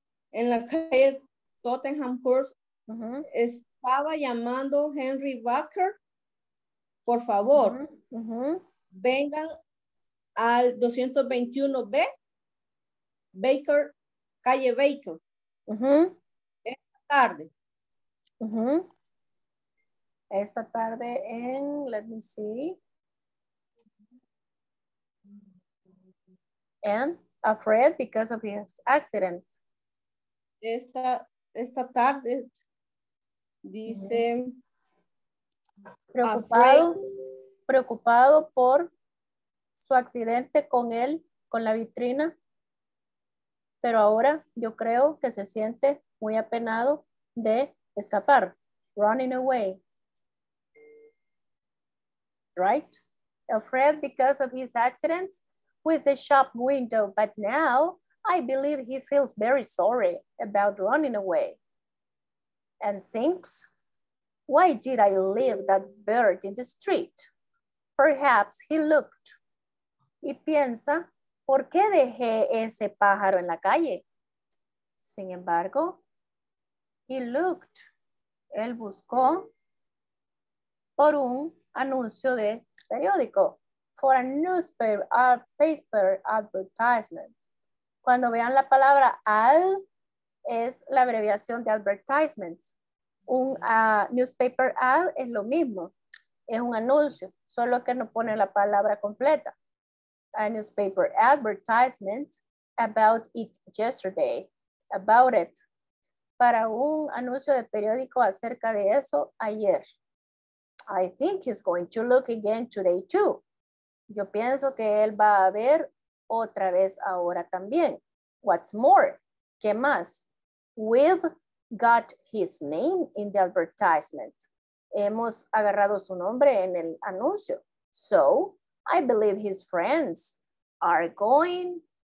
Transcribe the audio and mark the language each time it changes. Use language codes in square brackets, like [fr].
[es] En la calle Tottenham Court, estaba llamando Henry Baker, por favor, vengan al 221B, Baker, calle Baker, esta tarde. Esta tarde en, [en] let me see, and afraid because of his accident. [es] Esta tarde dice preocupado, preocupado por su accidente con él, con la vitrina, pero ahora yo creo que se siente muy apenado de escapar, [en] running away, right? Afraid because of his accident with the shop window, but now I believe he feels very sorry about running away and thinks, why did I leave that bird in the street? Perhaps he looked. [es] Y piensa, ¿por qué dejé ese pájaro en la calle? Sin embargo, [en] he looked. [es] Él buscó por un anuncio de periódico. [en] For a newspaper, a paper advertisement. [es] Cuando vean la palabra ad, es la abreviación de advertisement. Un newspaper ad es lo mismo. Es un anuncio, solo que no pone la palabra completa. [en] A newspaper advertisement about it yesterday. About it. [es] Para un anuncio de periódico acerca de eso ayer. [en] I think he's going to look again today too. [es] Yo pienso que él va a ver otra vez ahora también. [en] What's more? [es] ¿Qué más? [en] We've got his name in the advertisement. [es] Hemos agarrado su nombre en el anuncio. [en] So, I believe his friends are going.